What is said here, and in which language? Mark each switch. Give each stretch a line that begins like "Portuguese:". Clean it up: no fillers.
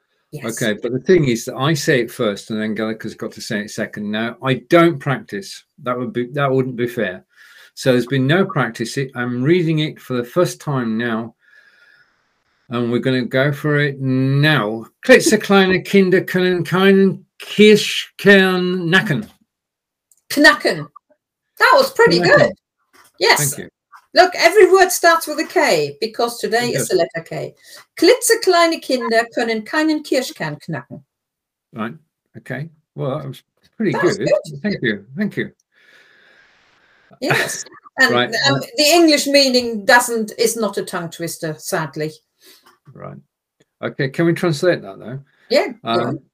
English: Yes. Okay, but the thing is that I say it first, and Angelica's got to say it second. Now, I don't practice. That wouldn't be fair. So there's been no practice. I'm reading it for the first time now, and we're going to go for it now.
German: Klitzer kleine Kinder können keinen Kirschkern nacken.
English: Knacken. That was pretty good. Yes. Thank you. Look, every word starts with a K because today is the letter K.
German: Klitzekleine Kinder können keinen Kirschkern knacken.
English: Right. Okay. Well, that was pretty good. Thank you. Thank you. Yes. And the English meaning is not a tongue twister, sadly. Right. Okay. Can we translate that though? Yeah.